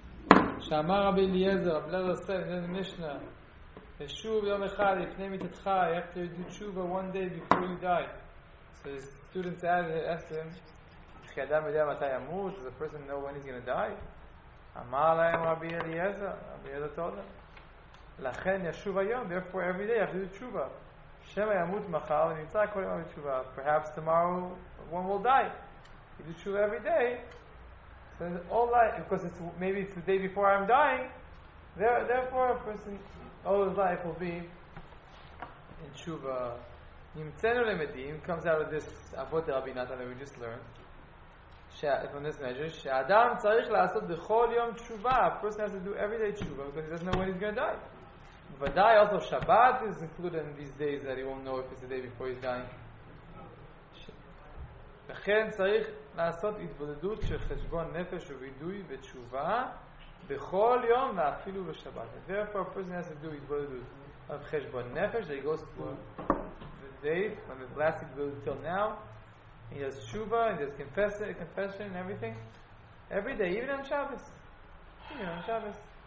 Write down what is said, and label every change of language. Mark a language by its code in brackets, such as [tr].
[he] 227, שאמר רבי אליעזר, רב לזר סל, נדן משנה, ושוב יום אחד, לפני מיתתך, [en] you have to do tshuva one day before you die. So the students asked him, [he] כי אדם יודע מתי ימות, [en] does a person know when he's going to die? [he] אמר להם רבי אליעזר, רבי אליעזר תודה, לכן ישוב היום, [en] therefore every day, you have to do tshuva. [he] שם הימות מחר, ונמצא כל יום בתשובה, [en] perhaps tomorrow one will die. You do tshuva every day, so all life, because it's, maybe it's the day before I'm dying, therefore a person, all his life will be in tshuva. [he] נמצאנו למדים, [en] comes out of this avot de Rabbi Natan that we just learned, from this measure, [he] שאדם צריך לעשות בכל יום תשובה, [en] a person has to do every day tshuva, because he doesn't know when he's going to die. Vadai, also Shabbat is included in these days that he won't know if it's the day before he's dying. [he] לכן צריך לעשות התבודדות של חשבון נפש ווידוי ותשובה בכל יום ואפילו בשבת. [en] Therefore, a person has to do התבודדות of חשבון נפש, that he goes through the day from his last התבודדות till now. He does תשובה, he does confession and everything. Every day, even on Shabbos. Even on Shabbos.